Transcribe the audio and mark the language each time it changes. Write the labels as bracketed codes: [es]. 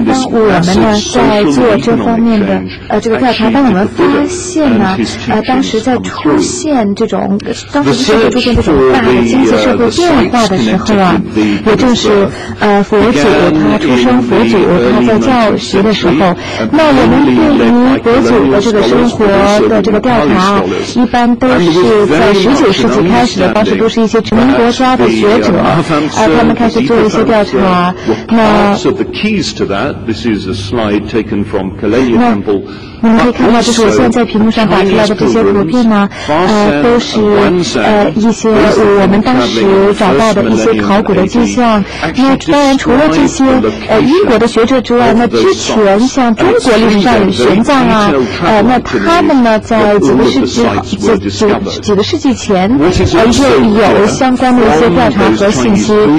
[zh] 我们呢在做这方面的这个调查，当我们发现呢当时在出现这种当时社会出现这种大的经济社会变化的时候啊，也正是佛祖他出生，佛祖他在教学的时候，那我们对于佛祖的这个生活的这个调查一般都是在19世纪开始的，当时都是一些殖民国家的学者他们开始做一些调查。那 [en] keys to that, this is a slide taken from Kelaniya temple. [zh] 你们可以看到，就是我现在屏幕上打出来的这些图片呢，都是一些我们当时找到的一些考古的迹象。那当然，除了这些英国的学者之外，那之前像中国历史上玄奘啊，那他们呢，在几个世纪前，又有相关的一些调查和信息。